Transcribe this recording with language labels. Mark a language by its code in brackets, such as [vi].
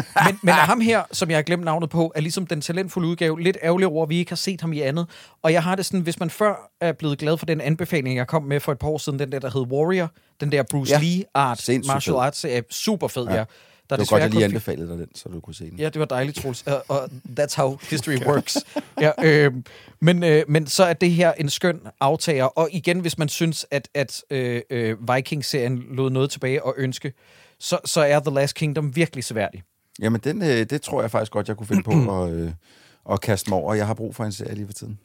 [da] Ja, men ham her, som jeg har glemt navnet på, er ligesom den talentfulde udgave. Lidt ærgerlig over, at vi ikke har set ham i andet. Og jeg har det sådan, hvis man før er blevet glad for den anbefaling, jeg kom med for et par år siden, den der hed Warrior, den der Bruce Lee-art, martial arts, super fed, ja. Det var godt, jeg lige anbefalede dig den, så du kunne se den. Ja, det var dejligt, Troels. [en] Og that's how history works. [da] Ja, men så er det her en skøn aftager. Og igen, hvis man synes, at Vikings-serien lod noget tilbage at ønske, så er The Last Kingdom virkelig sværdig. Jamen, det tror jeg faktisk godt, jeg kunne finde på at kaste mig over. Jeg har brug for en serie lige for tiden.